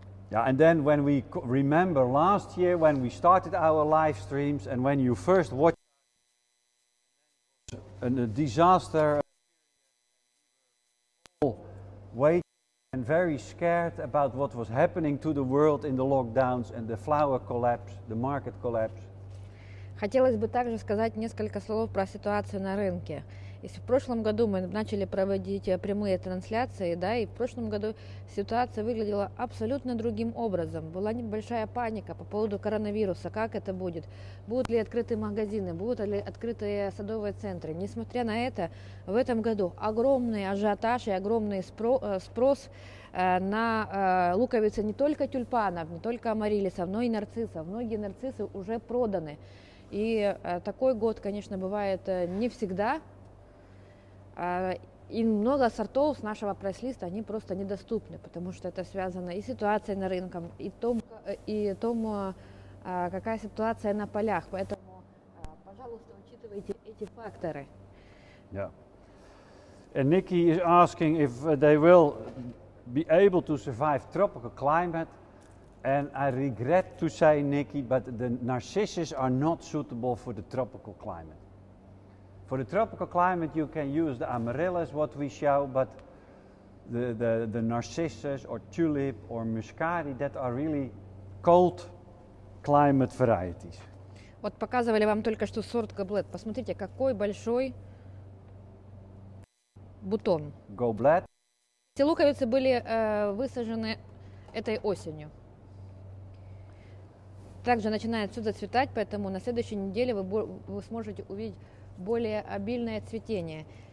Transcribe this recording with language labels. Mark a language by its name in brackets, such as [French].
[English] Yeah, and then when we remember last year when we started our live streams, and when you first watched a disaster, waiting and very scared about what was happening to the world in the lockdowns and the flower collapse, the market collapse. [Russian] Хотелось бы также сказать несколько слов про ситуацию на рынке. Если в прошлом году мы начали проводить прямые трансляции, да, и в прошлом году ситуация выглядела абсолютно другим образом. Была небольшая паника по поводу коронавируса, как это будет, будут ли открыты магазины, будут ли открыты садовые центры. Несмотря на это, в этом году огромный ажиотаж и огромный спрос на луковицы не только тюльпанов, не только амариллисов, но и нарциссов. Многие нарциссы уже проданы. И такой год, конечно, бывает не всегда. И много сортов с нашего прайс-листа, они просто недоступны, потому что это связано и с ситуацией на рынке, и том, какая ситуация на полях. Поэтому, пожалуйста, учитывайте эти факторы. [English] Yeah. And Nikki is asking if they will be able to survive tropical climate. And I regret to say, Nikki, but the narcissus are not suitable for the tropical climate. For the tropical climate, you can use the amaryllis, what we show, but the narcissus or tulip or muscari, that are really cold climate varieties. [Russian] Вот показывали вам только что сорт Goblet. Посмотрите, какой большой бутон. Goblet. Эти луковицы были высажены этой осенью. Также начинает все зацветать, поэтому на следующей неделе вы сможете увидеть более обильное цветение.